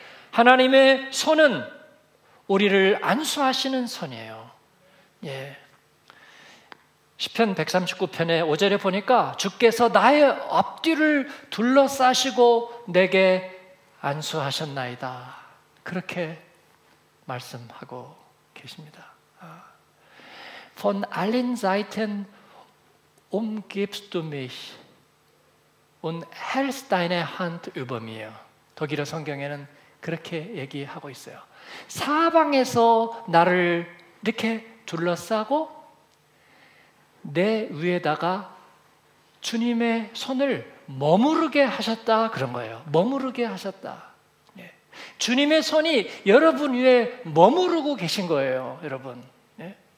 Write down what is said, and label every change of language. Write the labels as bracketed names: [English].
[Korean] 하나님의 손은 우리를 안수하시는 손이에요. 예. 시편 139편에 5절에 보니까 주께서 나의 앞뒤를 둘러싸시고 내게 안수하셨나이다. 그렇게 말씀하고 계십니다. [German] Von allen Seiten umgibst du mich und hältst deine Hand über mir. [Korean] 독일어 성경에는 그렇게 얘기하고 있어요. 사방에서 나를 이렇게 둘러싸고 내 위에다가 주님의 손을 머무르게 하셨다 그런 거예요. 머무르게 하셨다. 예. 주님의 손이 여러분 위에 머무르고 계신 거예요. 여러분. 예.